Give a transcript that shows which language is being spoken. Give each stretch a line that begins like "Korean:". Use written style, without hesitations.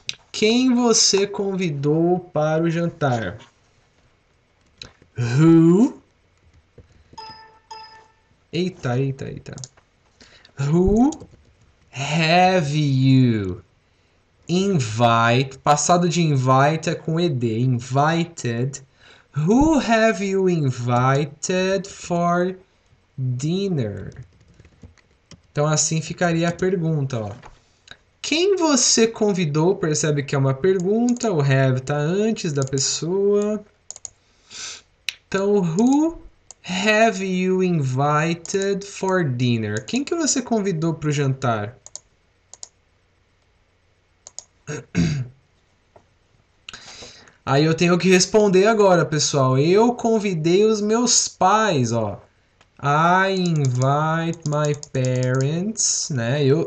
Portuguese: Quem você convidou para o jantar?
English: Who?
Portuguese: Eita, eita, eita.
English: Who have you invite?
Portuguese: Passado de invite é com ED.
English: Invited. Who have you invited for dinner?
Portuguese: Então, assim ficaria a pergunta, ó. Quem você convidou? Percebe que é uma pergunta. O have está antes da pessoa.
English: Então, who have you invited for dinner?
Portuguese: Quem que você convidou para o jantar? Aí eu tenho que responder agora, pessoal. Eu convidei os meus pais, ó.
English: I invite my parents, né?